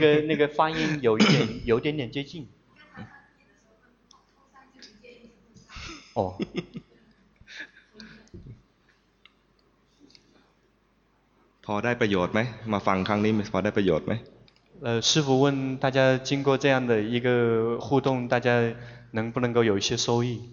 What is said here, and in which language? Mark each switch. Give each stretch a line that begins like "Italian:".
Chinese: 那个发音有点接近哦、oh.
Thai: พอได้ประโยชน์ไหมมาฟังครั้งนี้พอได้ประโยชน์ไหม
Chinese: 师父问大家经过这样的一个互动大家能不能够有一些收益